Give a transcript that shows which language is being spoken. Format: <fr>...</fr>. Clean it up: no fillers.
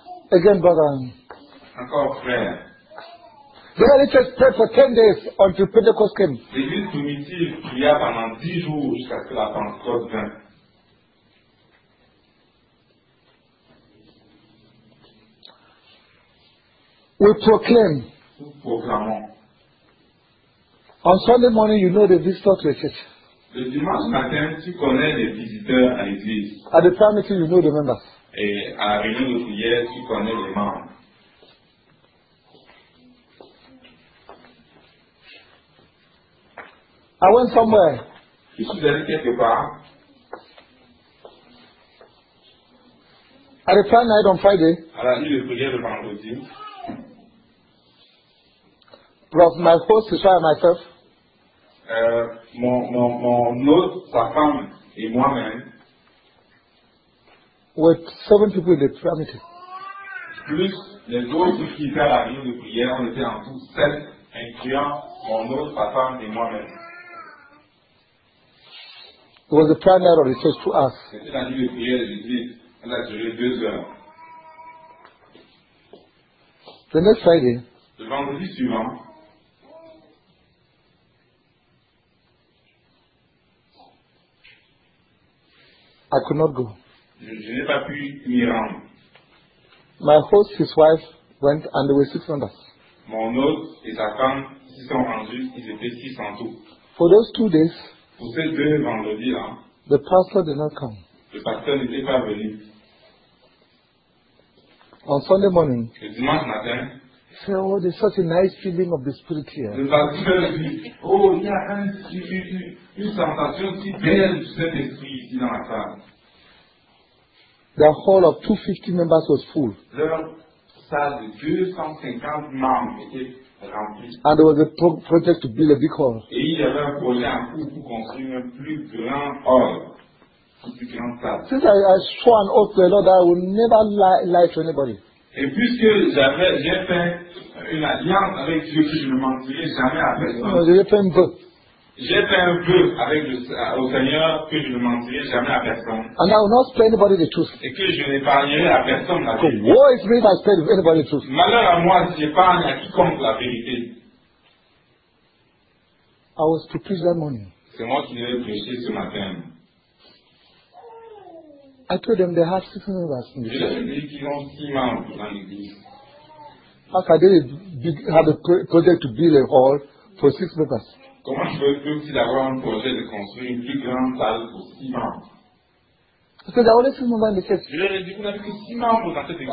<en>Again, brother.</en> <fr>Encore, frère.</fr> <en>The early church prayed for 10 days until Pentecost came.</en> <fr>L'église primitive pria pendant 10 jours jusqu'à ce que la Pentecôte vienne.</fr> <en>We proclaim. On Sunday morning, you know the visitor to the church.</en> <fr>Le dimanche matin, tu connais les visiteurs à l'église.</fr> <en>At the prayer meeting, you know the members.</en> <fr>Et à la réunion de prière, tu connais les membres.</fr> <en>I went somewhere.</en> <fr>Je suis allé quelque part.</fr> <en>At the prayer night on Friday.</en> <fr>À la nuit de prière le vendredi.</fr> <en>Plus my host, Sisha, and myself.</en> <fr>Mon hôte, sa femme et moi-même.</fr> <en>With seven people in the prayer meeting.</en> <fr>Plus les autres qui étaient à la réunion de prière, on était en tout sept, incluant mon hôte, sa femme et moi-même.</fr> <en>It was the prayer night of the church to us.</en> <fr>C'était la nuit de prière de l'église. Elle a duré 2 heures.</fr> <en>The next Friday.</en> <fr>Le vendredi suivant.</fr> <en>I could not go.</en> <fr>Je n'ai pas pu m'y rendre.</fr> <en>My host, his wife, went and they were 600.</en> <fr>Mon hôte et sa femme s'y sont rendus, ils étaient 600 tout.</fr> <en>For those 2 days,</en> <fr>pour ces deux vendredis-là,</fr> <en>the pastor did not come.</en> <fr>Le pasteur n'était pas venu.</fr> <en>On Sunday morning,</en> <fr>le dimanche matin,</fr> <en>he said, oh, there's such a nice feeling of the spirit here.</en> <fr>Le pasteur dit, oh, il y a un spirit. Une sensation si belle du Saint-Esprit ici dans la salle.</fr> <en>The hall of 250 members was full.</en> <fr>Leur salle de 250 membres était remplie.</fr> <en>And there was a project to build a big hall.</en> <fr>Et il y avait un projet en cours pour construire un plus grand hall. Plus grand salle.</fr> <en>Since I swore an oath to the Lord that I will never lie to anybody.</en> <fr>Et puisque j'ai fait une alliance avec Dieu que je ne mentirai jamais à personne. Non, j'ai fait un vœu. J'ai fait un vœu au Seigneur que je ne mentirai jamais à personne.</fr> <en>And I will not spare anybody the truth.</en> <fr>Et que je n'épargnerai à personne la vérité.</fr> <en>Woe is me if I spare anybody the truth.</en> <fr>Malheur à moi si j'épargne à quiconque la vérité.</fr> <en>I was to preach that morning.</en> <fr>C'est moi qui devais prêcher ce matin.</fr> <en>I told them they have 600 members in the church.</en> <fr>Je leur ai dit qu'ils ont 6 membres dans l'église.</fr> <en>How can they have a project to build a hall for 6 members?</en> <fr>Comment je peux-tu avoir un projet de construire une plus grande salle pour 6 membres? Parce que j'avais 6 membres dans cette église. Je leur ai dit qu'on n'avait que 6 membres dans cette église.</fr>